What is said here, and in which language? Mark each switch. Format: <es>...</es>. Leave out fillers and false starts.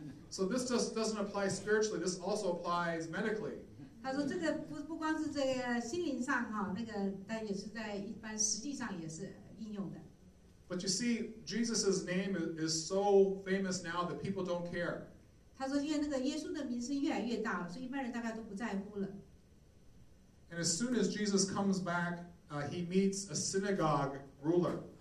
<en>So this just doesn't apply spiritually, this also applies medically.</en> <zh>他说这个不光是这个心灵上哈，那个但也是在一般实际上也是应用的。</zh> <en>But you see, Jesus' name is so famous now that people don't care.</en> <zh>他说因为那个耶稣的名声越来越大了，所以一般人大概都不在乎了。</zh> <en>And as soon as Jesus comes back, he meets a synagogue ruler.</en>